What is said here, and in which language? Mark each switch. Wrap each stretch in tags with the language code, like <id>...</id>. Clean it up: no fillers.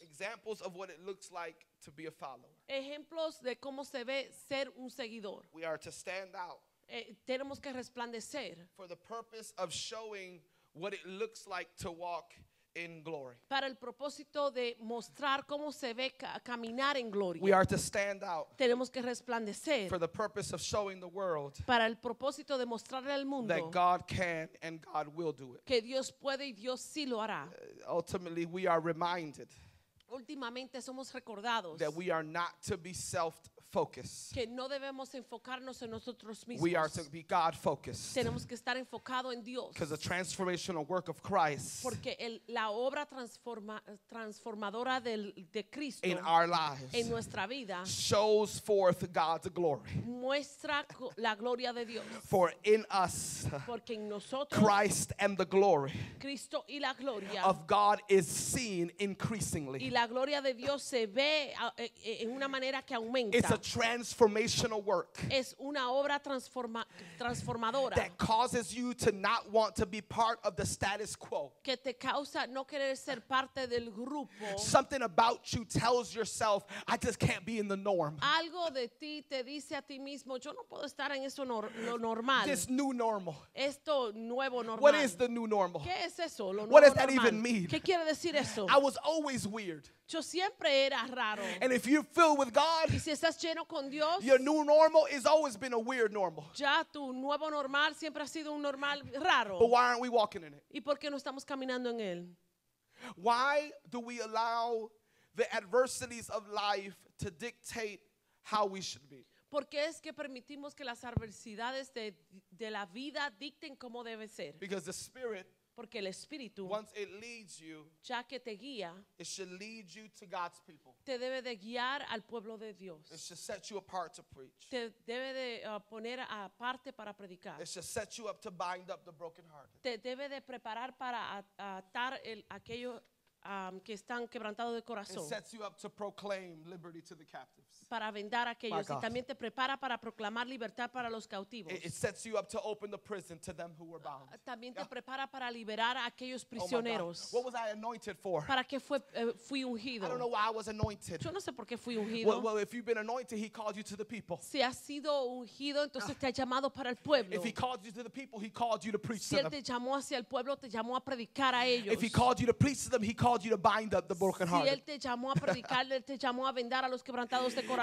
<en>Examples of what it looks like to be a follower.</en> <es>Ejemplos de cómo se ve ser un seguidor.</es> <en>We are to stand out.</en> <es>Tenemos que resplandecer.</es> <en>For the purpose of showing what it looks like to walk in glory.</en> <es>Para el propósito de mostrar cómo se ve caminar en gloria.</es> <en>We are to stand out.</en> <es>Tenemos que resplandecer.</es> <en>For the purpose of showing the world.</en> <es>Para el propósito de mostrarle al mundo.</es> <en>That God can and God will do it.</en> <es>Que Dios puede y Dios sí lo hará.</es> <en>Ultimately, we are reminded.</en> <es>Últimamente somos recordados.</es> <en>That we are not to be self-focused.</en> <es>Que no debemos enfocarnos en nosotros mismos.</es> <en>We are to be God-focused.</en> <es>Tenemos que estar enfocado en Dios.</es> <en>Because the transformational work of Christ.</en> <es>Porque la obra transformadora de Cristo.</es> <en>In our lives.</en> <es>En nuestra vida.</es> <en>Shows forth God's glory.</en> <es>Muestra la gloria de Dios.</es> <en>For in us.</en> <es>Porque en nosotros.</es> <en>Christ and the glory.</en> <es>Cristo y la gloria.</es> <en>Of God is seen increasingly.</en> <es>La gloria de Dios se ve en una manera que aumenta.</es> <en>It's a transformational work.</en> <es>Es una obra transformadora.</es> <en>That causes you to not want to be part of the status quo.</en> <es>Que te causa no querer ser parte del grupo.</es> <en>Something about you tells yourself, I just can't be in the norm.</en> <es>Algo de ti te dice a ti mismo, yo no puedo estar en eso lo normal.</es> <en>This new normal.</en> <es>Esto nuevo normal.</es> <en>What is the new normal?</en> <es>¿Qué es eso, lo nuevo normal?</es> <en>What does that even mean?</en> <es>¿Qué quiere decir eso?</es> <en>I was always weird.</en> <es>Yo siempre era raro.</es> <en>And if you're filled with God,</en> <es>y si estás lleno con Dios,</es> <en>your new normal has always been a weird normal.</en> <es>Ya tu nuevo normal siempre ha sido un normal raro.</es> <en>But why aren't we walking in it?</en> <es>¿Y por qué no estamos caminando en él?</es> <en>Why do we allow the adversities of life to dictate how we should be?</en> <es>¿Por qué es que permitimos que las adversidades de la vida dicten cómo debe ser?</es> <en>Because the spirit.</en> <es>Porque el Espíritu,</es> <en>once it leads you,</en> <es>ya que te guía,</es> <en>it should lead you to God's people.</en> <es>Te debe de guiar al pueblo de Dios.</es> <en>It should set you apart to preach.</en> <es>Te debe de poner aparte para predicar.</es> <en>It should set you up to bind up the brokenhearted.</en> <es>Te debe de preparar para atar aquello que están quebrantados de corazón.</es> <en>It sets you up to proclaim liberty to the captives.</en> <es>Para vendar aquellos. Y también te prepara para proclamar libertad para los cautivos.</es> <en>It sets you up to open the prison to them who were bound.</en> <es>También te prepara para liberar a aquellos prisioneros.</es> <en>Oh my God. What was I anointed for?</en> <es>Para qué fui ungido.</es> <en>I don't know why I was anointed.</en> <es>Yo no sé por qué fui ungido.</es> <en>Well, if you've been anointed, he called you to the people.</en> <es>Si has sido ungido, entonces te ha llamado para el pueblo.</es> <en>If he called you to the people, he called you to preach to them.</en> <es>Si él te llamó hacia el pueblo, te llamó a predicar a ellos.</es> <en>If he called you to preach to them, he called you to bind up the brokenhearted.</en> <es>Si él te llamó a predicar, él te llamó a vendar a los quebrantados de corazón.</es>